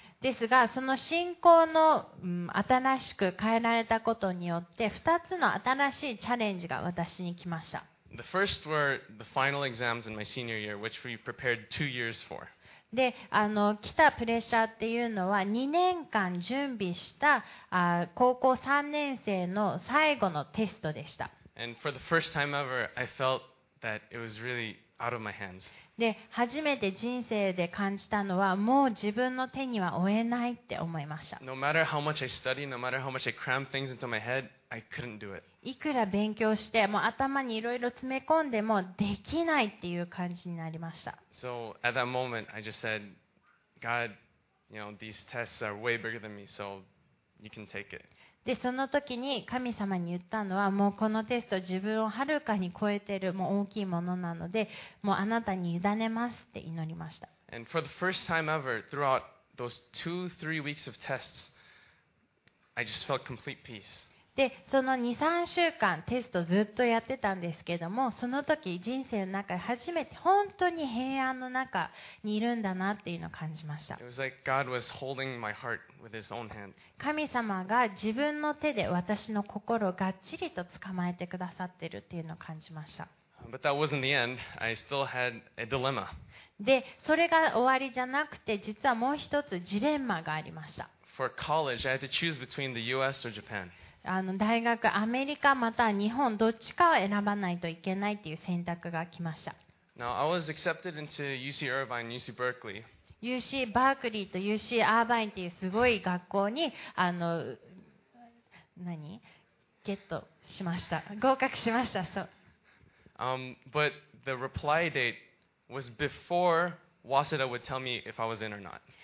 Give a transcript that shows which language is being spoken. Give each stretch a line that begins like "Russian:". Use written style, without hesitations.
Japanese: ですが、その信仰の、新しく変えられたことによって、二つの新しいチャレンジが私に来ました。
English: The first were the final exams in my senior year, which we prepared 2 years for.
Japanese: で、来たプレッシャーっていうのは2年間準備した高校3年生の最後のテストでした。
English: And for the first time ever, I felt that it was really out of my hands.
Japanese: で、初めて人生で感じたのはもう自分の手には負えないって思いました。
English: No matter how much I study, no matter how much I cram things into my head, I couldn't do it.
Japanese: いくら勉強してもう頭にいろいろ詰め込んでもできないっていう感じになりました。
English: So at that moment, I just said, God, you know, these tests are way bigger than me, so you can take it.
Japanese: で、その時に神様に言ったのは、もうこのテスト自分をはるかに超えてる、もう大きいものなので、もうあなたに委ねますって祈りました。
English: And for the first time ever, throughout those two, three weeks of tests, I just felt complete peace.
Japanese: で、その 2,3 週間テストずっとやってたんですけども、その時人生の中で初めて本当に平安の中にいるんだなっていうのを感じました。
English: It was like God was holding my heart with his own hand.
Japanese: 神様が自分の手で私の心をがっちりと捕まえてくださってるっていうのを感じました。
English: But that wasn't the end. I still had a dilemma.
Japanese: で、それが終わりじゃなくて、実はもう一つジレンマがありました。
English: For college, I had to choose between the US or Japan.
Japanese: 大学、アメリカまたは日本、どっちかを選ばないといけないという選択が来ました。
English: Now, I was accepted into UC Irvine and UC Berkeley.
Japanese: UC バークリーと UC アーバインというすごい学校に何ゲットしました。合格しました。そう。
English: But the reply date was before Waseda would tell me if I was in or not.